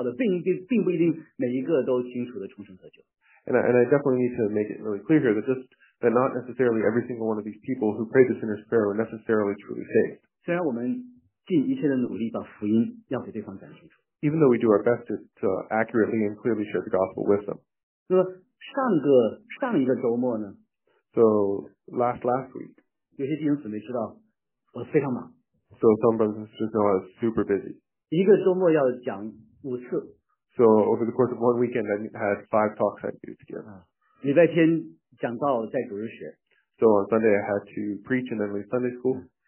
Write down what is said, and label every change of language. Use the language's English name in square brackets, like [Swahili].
[Chinese] 我绝对要讲明,这每一个做了学识祷告的,并不一定每一个都清楚地重生得救。 [English] And I definitely need to make it really clear here that that not necessarily every single one of these people who prayed the sinner's prayer were necessarily truly saved. [Chinese] 虽然我们尽一切的努力把福音要给对方讲清楚, [English] even though we do our best to accurately and clearly share the gospel with them. [Chinese] 那么上一个周末呢, [English] so last week, [Chinese] 有些弟兄姊妹知道我非常忙, [English] so some brothers and sisters know I was super busy. [Chinese] 一个周末要讲5次, [English] so over the course of 1 weekend, I had 5 talks I'd do together. [Chinese] 礼拜天讲到在主日学, [English] so on Sunday, I had to preach and then leave Sunday school.